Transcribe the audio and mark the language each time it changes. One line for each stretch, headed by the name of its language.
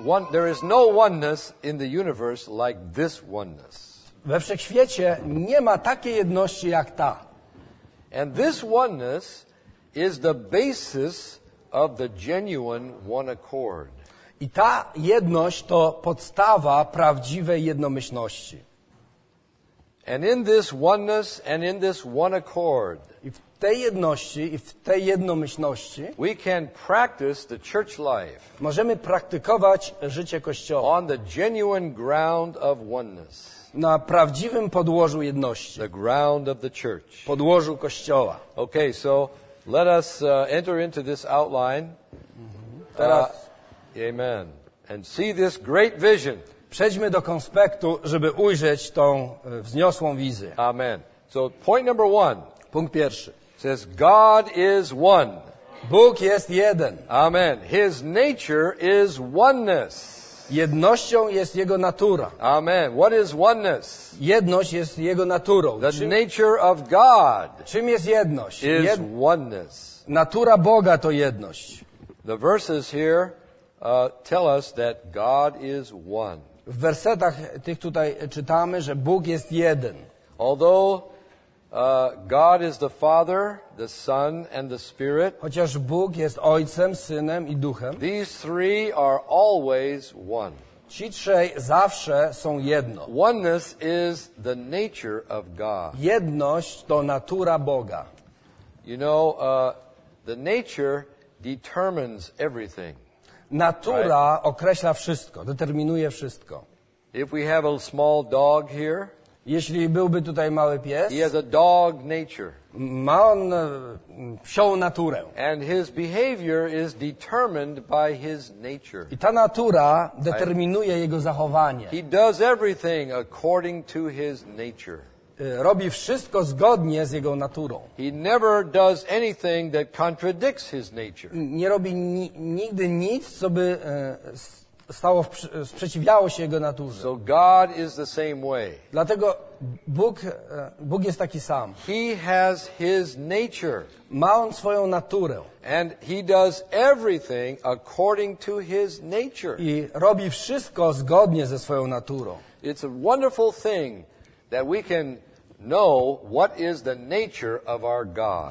English: There is no oneness in the universe like this oneness.
Polish: We wszechświecie nie ma takiej jedności jak ta.
English: And this oneness is the basis of the genuine one accord.
Polish: I ta jedność to podstawa prawdziwej jednomyślności.
English: And in this oneness and in this one accord.
Polish: I w, t- tej jedności i w tej jednomyślności
English: we can practice the church life.
Polish: Możemy praktykować życie kościoła.
English: On the genuine ground of oneness.
Polish: Na prawdziwym podłożu jedności.
English: The ground of the church.
Polish: Podłożu kościoła.
English: Okay, so let us enter into this outline.
Polish: Teraz
English: amen. And see this great vision.
Polish: Przejdźmy do konspektu, żeby ujrzeć tą wzniosłą wizję.
English: Amen. So point number one.
Polish: Punkt pierwszy.
English: Says God is one.
Polish: Bóg jest jeden.
English: Amen. His nature is oneness.
Polish: Jednością jest jego natura.
English: Amen. What is oneness?
Polish: Jedność jest jego naturą.
English: The nature of God.
Polish: Czym jest jedność?
English: Is oneness.
Polish: Natura Boga to jedność.
English: The verses here tell us that God is one.
Polish: W wersetach tych tutaj czytamy, że Bóg jest jeden.
English: Although God is the Father, the Son, and the Spirit.
Polish: Chociaż Bóg jest Ojcem, Synem i Duchem.
English: These three are always one.
Polish: Ci trzej zawsze są jedno.
English: Oneness is the nature of God.
Polish: Jedność to natura Boga.
English: You know, the nature determines everything.
Polish: Natura
English: right?
Polish: określa wszystko, determinuje wszystko.
English: If we have a small dog here.
Polish: Jeśli byłby tutaj mały pies,
English: he has a dog nature.
Polish: Ma on psią naturę.
English: And his behavior is determined by his nature.
Polish: I ta natura determinuje jego zachowanie.
English: He does everything according to his nature.
Polish: Robi wszystko zgodnie z jego naturą.
English: He never does anything that contradicts his nature.
Polish: Nie robi nigdy nic, co by stało sprzeciwiało się jego naturze.
English: So God is the same way.
Polish: Dlatego Bóg jest taki sam.
English: He has his nature.
Polish: Ma on swoją naturę.
English: And he does everything according to his nature.
Polish: I robi wszystko zgodnie ze swoją naturą.
English: It's a wonderful thing that we can know what is the nature of our God.